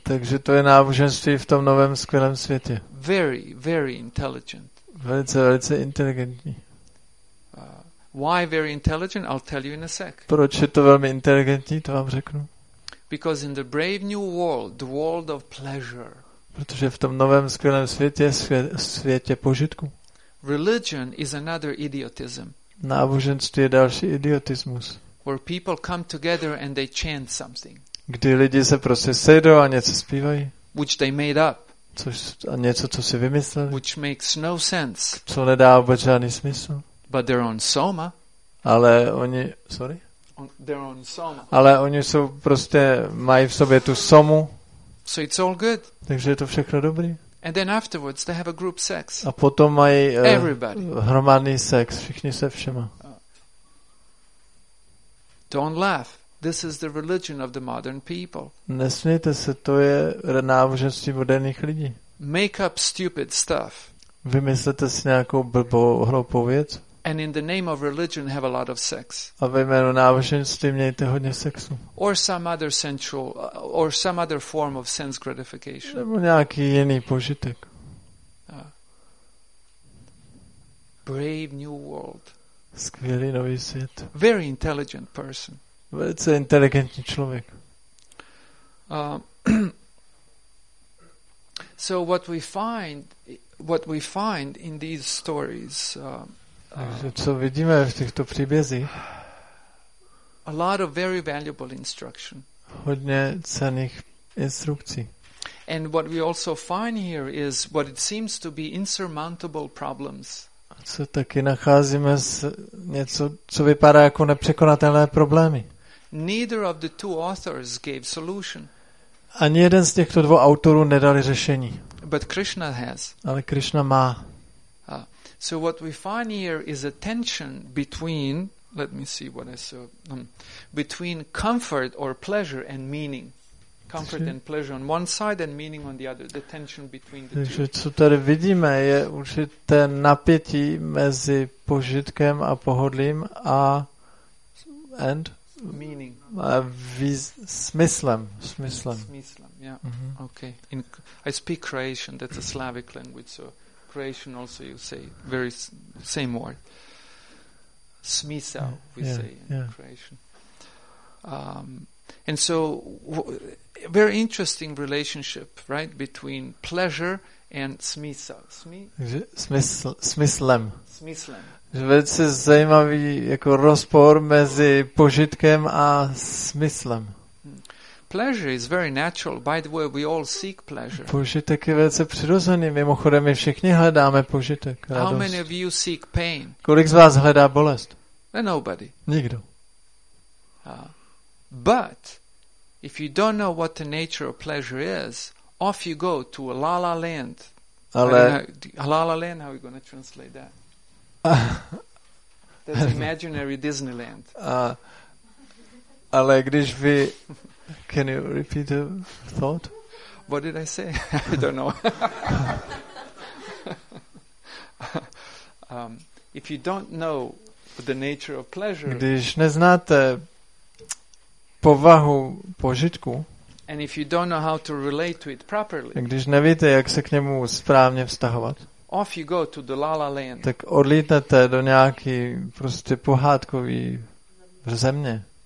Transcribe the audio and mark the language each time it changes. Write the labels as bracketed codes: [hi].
[cs] Takže to je náboženství v tom novém skvělém světě. [en] Very, very intelligent. [cs] Velice, velice inteligentní. [en] Why very intelligent? I'll tell you in a sec. [cs] Proč je to velmi inteligentní, to vám řeknu. [en] Because in the brave new world, the world of pleasure. [cs] Protože v tom novém skvělém světě, světě požitku. [en] Religion is another idiotism. [cs] Náboženství je další idiotismus. [en] Where people come together and they chant something. [cs] Kdy lidi se prostě sejdou a něco zpívají. [en] Which they made up. [cs] Což, a něco, co si vymysleli. [en] Which makes no sense. [cs] Co nedá vůbec žádný smysl. [en] But they're on soma. [cs] Ale oni, [en] sorry? They're on soma. [cs] Ale oni jsou prostě, mají v sobě tu somu. [en] So it's all good. [cs] Takže je to všechno dobrý. [en] And then afterwards they have a group sex. A potom mají hromadný sex, všichni se všema. Don't laugh. This is the religion of the modern people. [cs] Nesmějte se, to je náboženství moderních lidí. [en] Make up stupid stuff. [cs] Vymyslete si nějakou blbou, hloupou věc. [en] And in the name of religion have a lot of sex. [cs] A ve jménu náboženství mějte hodně sexu. [en] Or some other sensual, or some other form of sense gratification. [cs] Nebo nějaký jiný požitek. [en] Brave new world. [cs] Skvělý nový svět. [en] Very intelligent person. [cs] Velice inteligentní člověk. [en] So what we find in these stories. [cs] Takže co vidíme v těchto příbězích? [en] A lot of very valuable instruction. [cs] Hodně cenných instrukcí. [en] And what we also find here is what it seems to be insurmountable problems. [cs] Co taky nacházíme s něco, co vypadá jako nepřekonatelné problémy. [en] Neither of the two authors gave solution. [cs] Ani jeden z těchto dvou autorů nedali řešení. [en] But Krishna has. [cs] Ale Krishna má. [en] So what we find here is a tension between, let me see what I saw, between comfort or pleasure and meaning. comfort and pleasure on one side and meaning on the other, the tension between the two. [cs] Takže co tady vidíme, je určité napětí mezi požitkem a pohodlím a [en] and meaning. [cs] Smyslem. [en] Yeah. Mm-hmm. Okay. In I speak Croatian, that's a Slavic language, so Croatian also you say very same word. Smisao we say in Croatian. And so very interesting relationship, right, between pleasure and smisao. [cs] Smyslem. Velice zajímavý jako rozpor mezi požitkem a smyslem. [en] Pleasure is very natural. By the way, we all seek pleasure. [cs] Požitek je velice přirozený. Mimochodem, my všichni hledáme požitek. [en] How many of you seek pain? [cs] Kolik z vás hledá bolest? [en] Nobody. [cs] Nikdo. [en] But if you don't know what the nature of pleasure is, off you go to a la la land. [cs] Ale [en] la la land. How are we going to translate that? That's imaginary Disneyland. [cs] Ale když vy, [en] can you repeat the thought? What did I say? I don't know. if you don't know the nature of pleasure, [cs] když neznáte povahu požitku, [en] and if you don't know how to relate to it properly, [cs] když nevíte, jak se k němu správně vztahovat, [en] off you go to the la la land. [cs] Tak odlítnete do nějaký prostě pohádkový země.